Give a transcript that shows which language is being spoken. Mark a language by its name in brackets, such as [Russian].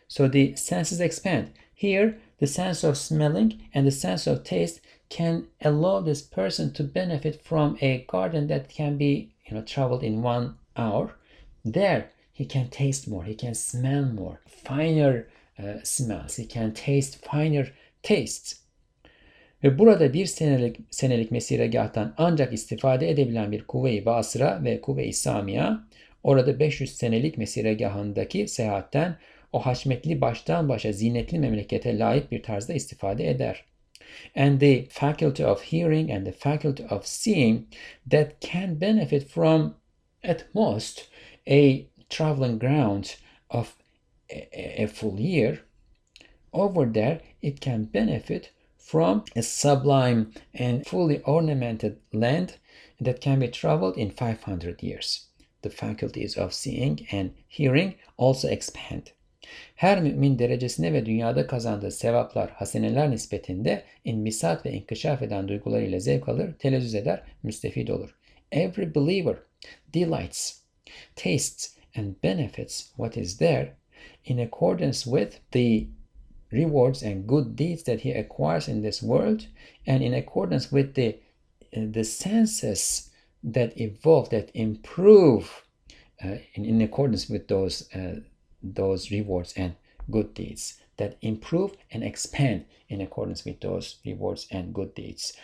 [English] So the senses expand. Here, the sense of smelling and the sense of taste can allow this person to benefit from a garden that can be, you know, traveled in 1 hour. There, he can taste more, he can smell more, finer smells, he can taste finer tastes. [Turkish] Ve burada bir senelik mesiregâhtan ancak istifade edebilen bir Kuvve-i Basıra ve Kuvve-i Samiya, orada 500 senelik mesiregâhındaki seyahatten o haşmetli baştan başa zinetli memlekete layık bir tarzda istifade eder. [English] And the faculty of hearing and the faculty of seeing that can benefit from at most a traveling ground of a full year, over there it can benefit from a sublime and fully ornamented land that can be traveled in 500 years. The faculties of seeing and hearing also expand. [Turkish] Her mümin derecesine ve dünyada kazandığı sevaplar, haseneler nispetinde inbisat ve inkişaf eden duygularıyla zevk alır, telezzüz eder, müstefid olur. [English] Every believer delights, tastes and benefits what is there in accordance with the rewards and good deeds that he acquires in this world and in accordance with the senses that evolve, that improve in accordance with those rewards and good deeds that improve and expand in accordance with those rewards and good deeds.